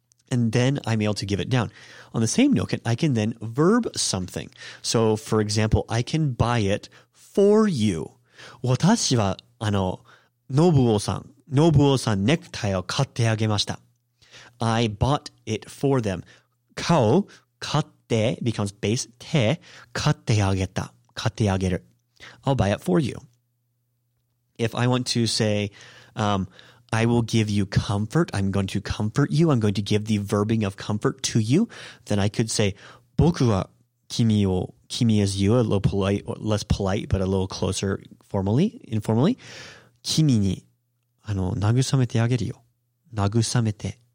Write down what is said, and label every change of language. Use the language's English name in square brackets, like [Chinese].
[English] And then I'm able to give it down. On the same note, I can then verb something. So, for example, I can buy it for you. [Japanese] 私はあの、ノブオさんネクタイを買ってあげました。 [English] I bought it for them. [Japanese] 買って becomes base て買ってあげた。買ってあげる。 [English] I'll buy it for you. If I want to say, I will give you comfort. I'm going to comfort you. I'm going to give the verbing of comfort to you. Then I could say, 僕は君を, Kimi is you, a little polite, or less polite, but a little closer formally, informally. 君にあの慰めてあげるよ。慰めて,